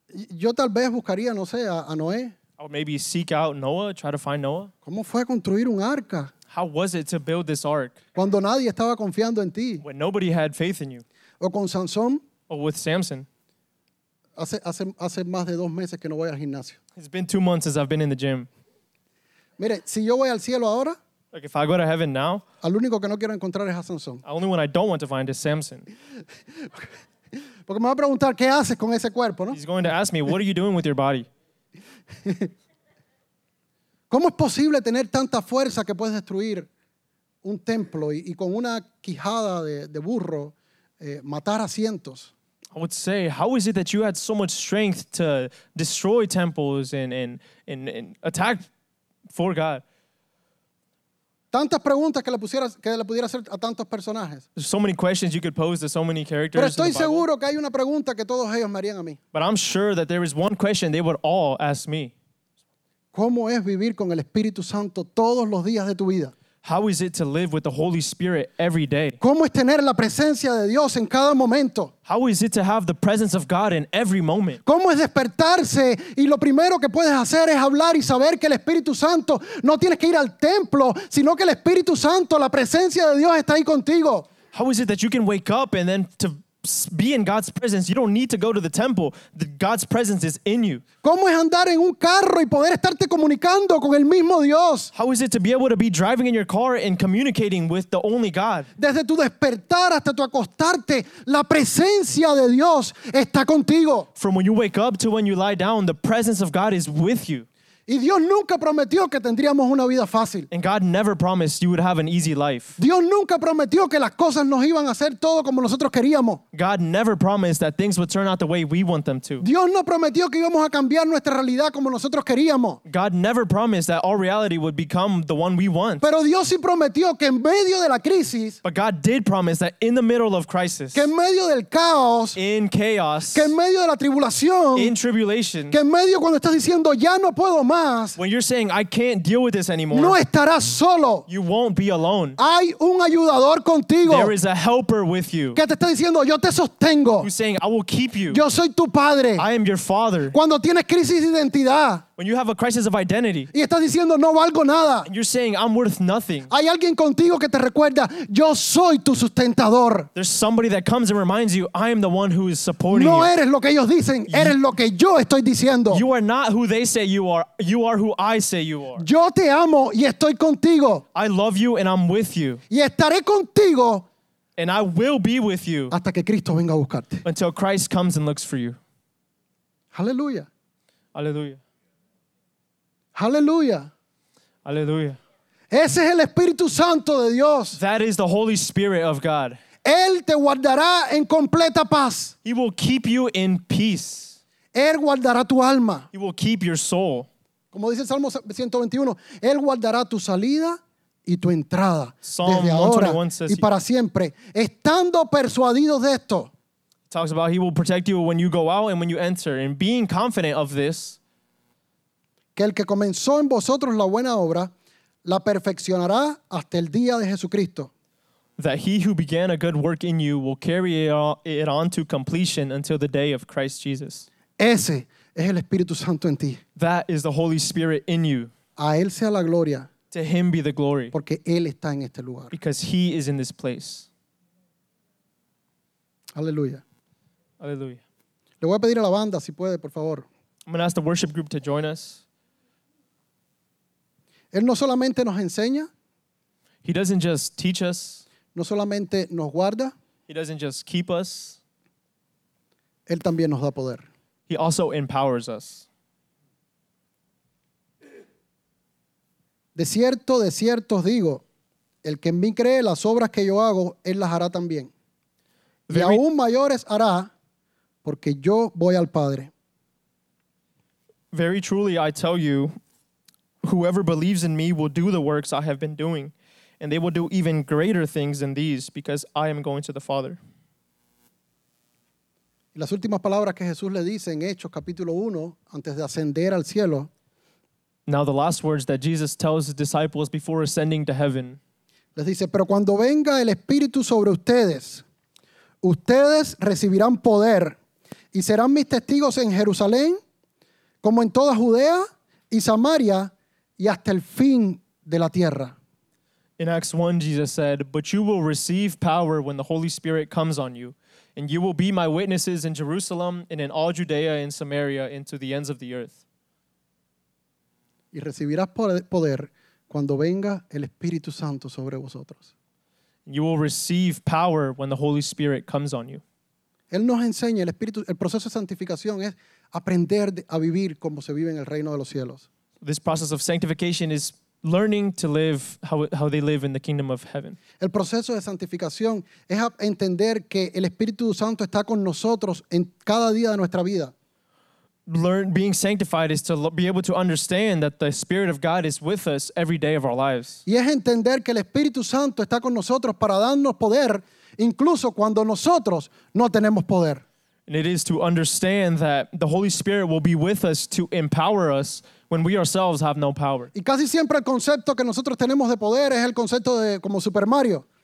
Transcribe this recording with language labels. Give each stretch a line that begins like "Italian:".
Spanish: Yo tal vez buscaría, no sé, a Noé.
English: I would maybe seek out Noah, try to find Noah.
Spanish: ¿Cómo fue construir un arca?
English: How was it to build this ark?
Spanish: Cuando nadie estaba confiando en ti.
English: When nobody had faith in you.
Spanish: O con Sansón.
English: Or with Samson.
Spanish: Hace más de dos meses que no voy al gimnasio.
English: It's been 2 months since I've been in the gym.
Spanish: Mire, si yo voy al cielo ahora.
English: Like if I go to heaven now.
Spanish: Al único que no quiero encontrar es a Sansón.
English: The only one I don't want to find is Samson.
Spanish: Porque me va a preguntar qué haces con ese cuerpo, ¿no?
English: He's going to ask me, what are you doing with your body?
Spanish: ¿Cómo es posible tener tanta fuerza que puedes destruir un templo y con una quijada de burro matar a cientos?
English: I would say, how is it that you had so much strength to destroy temples and attack for God?
Spanish: Tantas preguntas que le pudiera hacer a tantos personajes.
English: There's so many questions you could pose to so many characters.
Spanish: Pero estoy seguro que hay una pregunta que todos ellos me harían a mí.
English: But I'm sure that there is one question they would all ask me.
Spanish: ¿Cómo es vivir con el Espíritu Santo todos los días de tu vida?
English: How is it to live with the Holy Spirit every day?
Spanish: ¿Cómo es tener la presencia de Dios en cada momento?
English: How is it to have the presence of God in every moment?
Spanish: ¿Cómo es despertarse y lo primero que puedes hacer es hablar y saber que el Espíritu Santo no tienes que ir al templo, sino que el Espíritu Santo, la presencia de Dios está ahí contigo?
English: How is it that you can wake up and then to be in God's presence? You don't need to go to the temple. God's presence is in you.
Spanish: ¿Cómo es andar en un carro y poder estarte comunicando con el mismo Dios?
English: How is it to be able to be driving in your car and communicating with the only God?
Spanish: Desde tu despertar hasta tu acostarte, la presencia de Dios está contigo.
English: From when you wake up to when you lie down, the presence of God is with you.
Spanish: Y Dios nunca prometió que tendríamos una vida fácil.
English: And God never promised you would have an easy life.
Spanish: Dios nunca prometió que las cosas nos iban a hacer todo como nosotros queríamos.
English: God never promised that things would turn out the way we want them to.
Spanish: Dios no prometió que íbamos a cambiar nuestra realidad como nosotros queríamos.
English: God never promised that our reality would become the one we want.
Spanish: Pero Dios sí prometió que en medio de la crisis.
English: But God did promise that in the middle of crisis.
Spanish: Que en medio del caos.
English: In chaos.
Spanish: Que en medio de la tribulación.
English: In tribulation.
Spanish: Que en medio cuando estás diciendo ya no puedo más.
English: When you're saying, I can't deal with this anymore,
Spanish: no estarás solo.
English: You won't be alone.
Spanish: Hay un ayudador contigo.
English: There is a helper with you.
Spanish: Que te está diciendo, yo te sostengo.
English: Who's saying, I will keep you.
Spanish: Yo soy tu padre.
English: I am your father.
Spanish: Cuando tienes crisis de identidad.
English: When you have a crisis of identity.
Spanish: Y estás diciendo, no valgo nada.
English: And you're saying, I'm worth nothing.
Spanish: Hay alguien contigo que te recuerda, yo soy tu sustentador.
English: There's somebody that comes and reminds you, I am the one who is supporting
Spanish: no
English: you.
Spanish: No eres lo que ellos dicen, eres lo que yo estoy diciendo.
English: You are not who they say you are. You are who I say you are.
Spanish: Yo te amo y estoy contigo.
English: I love you and I'm with you.
Spanish: Y estaré contigo.
English: And I will be with you.
Spanish: Hasta que Cristo venga a buscarte.
English: Until Christ comes and looks for you. Hallelujah. Hallelujah. Hallelujah. Hallelujah.
Spanish: Ese es el Espíritu Santo de Dios.
English: That is the Holy Spirit of God.
Spanish: Él te guardará en completa paz.
English: He will keep you in peace.
Spanish: Él guardará tu alma.
English: He will keep your soul.
Spanish: Como dice el Salmo 121, Él guardará tu salida y tu entrada.
English: Psalm
Spanish: desde ahora
English: 121 says,
Spanish: y para siempre. Estando persuadidos de esto.
English: Talks about He will protect you when you go out and when you enter. And being confident of this.
Spanish: Que el que comenzó en vosotros la buena obra, la perfeccionará hasta el día de Jesucristo.
English: That he who began a good work in you will carry it on to completion until the day of Christ Jesus.
Spanish: Ese es el Espíritu Santo en ti.
English: That is the Holy Spirit in you.
Spanish: A él sea la gloria.
English: To him be the glory.
Spanish: Porque él está en este lugar.
English: Because he is in this place.
Spanish: Aleluya. Aleluya. Le voy a pedir a la banda, si puede, por favor.
English: I'm going to ask the worship group to join us.
Spanish: Él no solamente nos enseña.
English: He doesn't just teach us.
Spanish: No solamente nos guarda.
English: He doesn't just keep us.
Spanish: Él también nos da poder.
English: He also empowers us.
Spanish: De cierto os digo, el que en mí cree, las obras que yo hago, él las hará también. Y aún mayores hará, porque yo voy al Padre.
English: Very truly I tell you, whoever believes in me will do the works I have been doing, and they will do even greater things than these, because I am going to the Father.
Spanish: Y las últimas palabras que Jesús le dice en Hechos capítulo 1, antes de ascender al cielo.
English: Now the last words that Jesus tells his disciples before ascending to heaven.
Spanish: Les dice, pero cuando venga el Espíritu sobre ustedes, ustedes recibirán poder y serán mis testigos en Jerusalén, como en toda Judea y Samaria, y hasta el fin de la tierra.
English: In Acts 1, Jesus said, but you will receive power when the Holy Spirit comes on you, and you will be my witnesses in Jerusalem and in all Judea and Samaria and to the ends of the earth.
Spanish: Y recibirás poder cuando venga el Espíritu Santo sobre vosotros.
English: You will receive power when the Holy Spirit comes on you.
Spanish: Él nos enseña, el proceso de santificación es aprender a vivir como se vive en el reino de los cielos.
English: This process of sanctification is learning to live how they live in the kingdom of heaven.
Spanish: El proceso de santificación es entender que el Espíritu Santo está con nosotros en cada día de nuestra vida.
English: Being sanctified is to be able to understand that the Spirit of God is with us every day of our lives.
Spanish: Y es entender que el Espíritu Santo está con nosotros para darnos poder incluso cuando nosotros no tenemos poder.
English: And it is to understand that the Holy Spirit will be with us to empower us when we ourselves have no power.
Spanish: Y casi siempre el concepto que nosotros tenemos de poder es el concepto de como Super Mario.